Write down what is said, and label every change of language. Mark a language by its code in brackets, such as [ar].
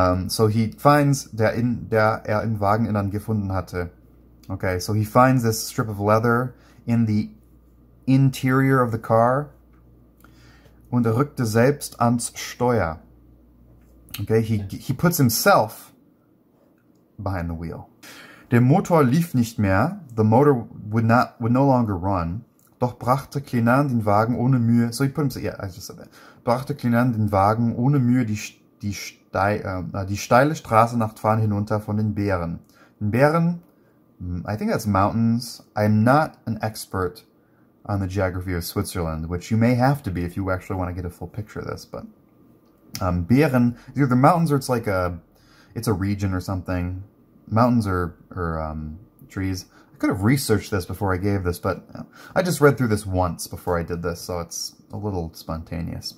[en] So he finds [de] der er im Wageninnern gefunden hatte. [en] Okay, so he finds this strip of leather in the interior of the car. [de] Und rückte selbst ans Steuer. [en] Okay, he puts himself behind the wheel. [de] Der Motor lief nicht mehr. [en] The motor would no longer run. [de] Doch brachte Clinan den Wagen ohne Mühe. [en] So he put himself. Yeah, I just said that. [de] Brachte Clinan den Wagen ohne Mühe die steile Straße nach Twan hinunter von den Bären. [en] Den Bären. I think that's mountains. I'm not an expert on the geography of Switzerland, which you may have to be if you actually want to get a full picture of this. But Bären, either the mountains or it's a region or something. Mountains or trees. I could have researched this before I gave this, but I just read through this once before I did this, so it's a little spontaneous.